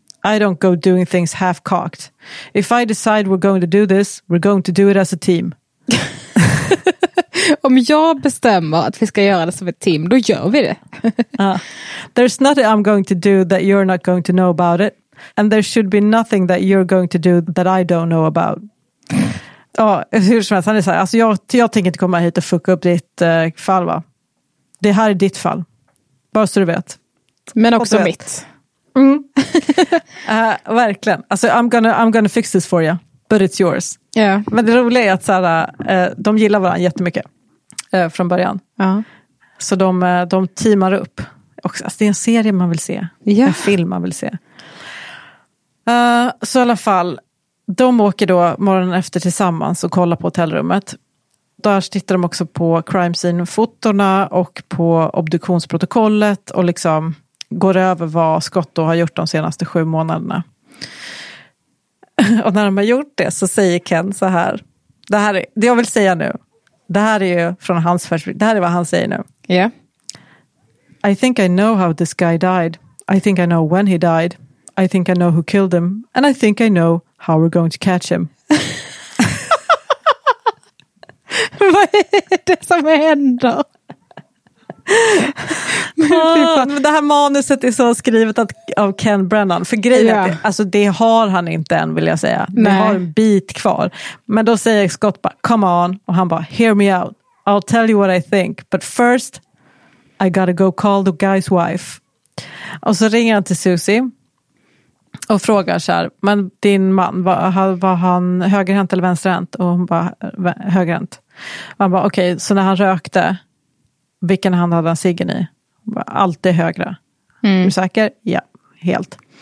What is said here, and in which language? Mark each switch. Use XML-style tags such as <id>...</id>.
<en>I don't go doing things half-cocked. If I decide we're going to do this, we're going to do it as a team.</en> <sv>Om jag bestämmer att vi ska göra det som ett team, då gör vi det.</sv> <en>There's nothing I'm going to do that you're not going to know about it. And there should be nothing that you're going to do that I don't know about.</en> <sv>Ja, hur som helst, han är så här, alltså jag tänker inte komma hit och fucka upp ditt fall, va? Det här är ditt fall. Bara så du vet. Men också vet. Mitt. Verkligen. Alltså,</sv> <en>I'm gonna fix this for you, but it's yours. Yeah.</en> <sv>Men det roliga är att så här, de gillar varandra jättemycket från början. Så de teamar upp. Och, alltså, det är en serie man vill se.</sv> <en>Yeah.</en> <sv>En film man vill se. Så i alla fall, de åker då morgonen efter tillsammans och kollar på hotellrummet. Där tittar de också på crime scene-fotorna och på obduktionsprotokollet och liksom går över vad Scott då har gjort de senaste 7 månaderna. Och när de har gjort det så säger Ken så här. Det här är det jag vill säga nu. Det här är ju från hans perspektiv. Det här är vad han säger nu.</sv> <en>Yeah. I think I know how this guy died. I think I know when he died. I think I know who killed him. And I think I know how we're going to catch him.</en> <sv>Vad är det som händer? Men det här manuset är så skrivet att, av Ken Brennan. För grejen är att alltså det har han inte än, vill jag säga. Det har en bit kvar. Men då säger Scott bara,</sv> <en>come on.</en> <sv>Och han bara,</sv> <en>hear me out. I'll tell you what I think. But first, I gotta go call the guy's wife.</en> <sv>Och så ringer han till Susie. Och frågar så här, men din man, var han högerhänt eller vänsterhänt? Och hon bara, högerhänt. Och han bara, okej, okay, så när han rökte, vilken hand hade han ciggen i? Alltid högra. Mm. Är du säker? Ja, helt.</sv>